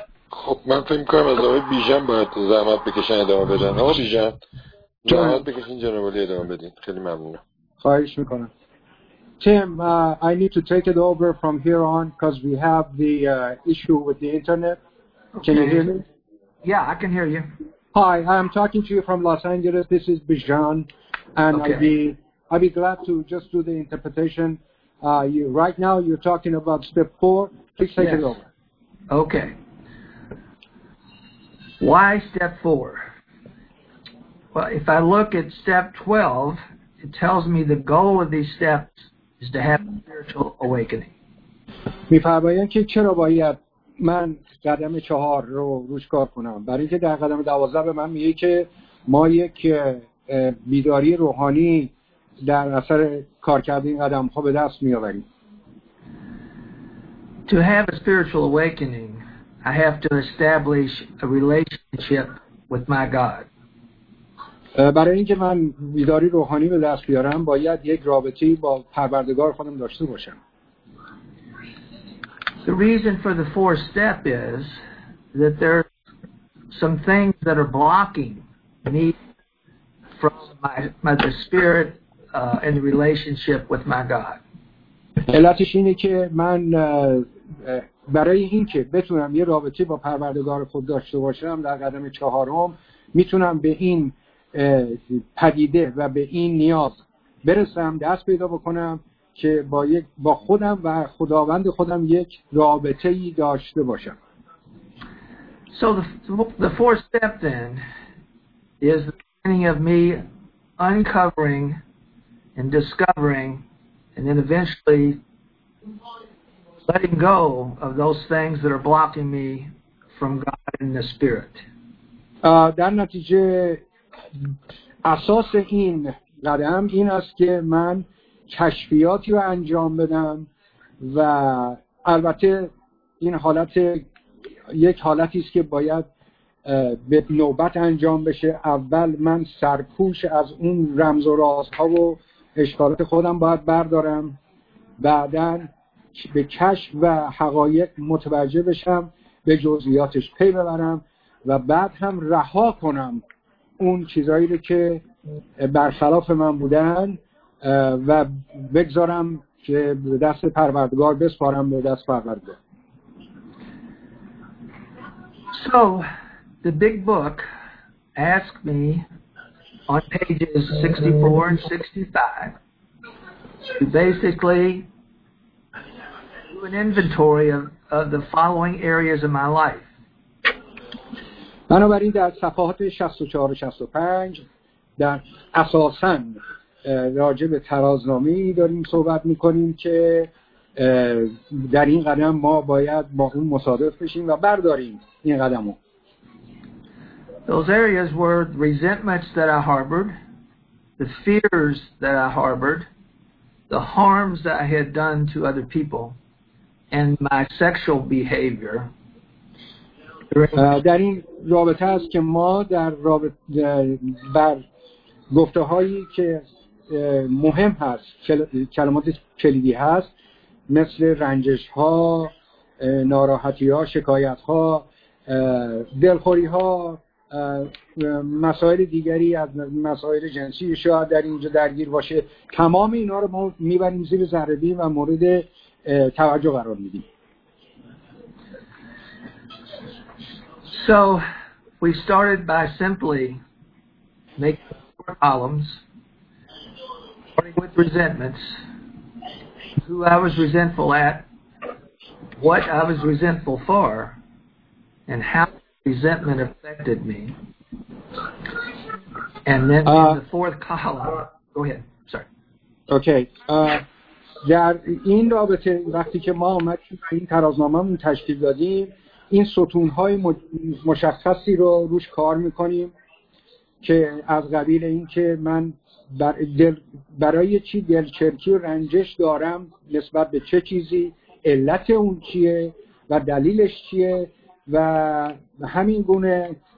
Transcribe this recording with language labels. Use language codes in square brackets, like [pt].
[fa] خب من فکر می‌کنم از آقای بیژن باید زحمت بکشن ادامه بدن. آقای بیژن زحمت بکشین جناب علی ادامه بدین. خیلی ممنونم. خواهش میکنم. [en] Tim, I need to take it over from here on because we have the issue with the internet. Okay. Can you hear me? Yeah, I can hear you. Hi, I'm talking to you from Los Angeles. This is Bijan, and okay. I'd be glad to just do the interpretation. You right now you're talking about step 4. Please take yes. it over. Okay. Why step 4? Well, if I look at step 12, it tells me the goal of these steps is to have a spiritual awakening. [fa] می‌فرمایند که چرا باید من قدم 4 رو روش کار کنم؟ برای اینکه در قدم 12 به من میگه که ما یک بیداری روحانی در اثر کار کردن این قدم ها به دست میآوریم. [en] To have a spiritual awakening, I have to establish a relationship with my God. [fa] برای اینکه من بیداری روحانی به دست بیارم باید یک رابطه‌ای با پروردگار خودم داشته باشم. [en] The reason for the fourth step is that there are some things that are blocking me from the spirit in the relationship with my God. [fa] علتش اینه که من برای اینکه بتونم یه رابطه با پروردگار خود داشته باشم در قدم چهارم میتونم به این پدیده و به این نیاز برسم، دست پیدا بکنم که با خودم و خداوند خودم یک رابطه‌ای داشته باشم. [en] So the fourth step then is the beginning of me uncovering and discovering and then eventually letting go of those things that are blocking me from God in the spirit. [fa] در نتیجه اساس این قدم این است که من کشفیاتی رو انجام بدم و البته این حالت یک حالتی است که باید به نوبت انجام بشه. اول من سرپوش از اون رمز و رازها و اشکالات خودم باید بردارم، بعدن به کشف و حقایق متوجه بشم، به جزئیاتش پی ببرم و بعد هم رها کنم اون چیزایی رو که برخلاف من بودن و بگذارم که به دست پروردگار بسپارم، به دست پروردگار. [en] So the big book asked me on pages 64 and 65 to basically do an inventory of the following areas of my life. [fa] بنابراین در صفحات 64 و 65 در اساساً راجع به ترازنامه‌ای داریم صحبت می‌کنیم که در این قدم ما باید با اون مصادف بشیم و برداریم این قدمو. [en] Those areas were resentments that I harbored, the fears that I harbored, the harms that I had done to other people, and my sexual behavior. [fa] در این رابطه است که ما در رابطه بر گفته‌هایی که مهم هست، کلمات کلیدی هست، مثل رنجش ها، ناراحتی ها، شکایت ها، دلخوری ها، مسائل دیگری از مسائل جنسی شاید در اینجا درگیر باشه، تمام اینا رو ما میبریم زیر ذره بین و مورد توجه قرار میدیم. [en] So we started by simply making columns with resentments, who I was resentful at, what I was resentful for, and how resentment affected me. And then in the fourth column, go ahead, sorry. Okay. [fa] در این رابطه وقتی که ما اومدیم این ترازنامه‌مون تشکیل دادیم، این ستون‌های مشخصی رو روش کار می‌کنیم که از قبیل اینکه من برای چی دلچرکی و رنجش دارم، نسبت به چه چیزی، علت اون چیه و دلیلش چیه، و همین گونه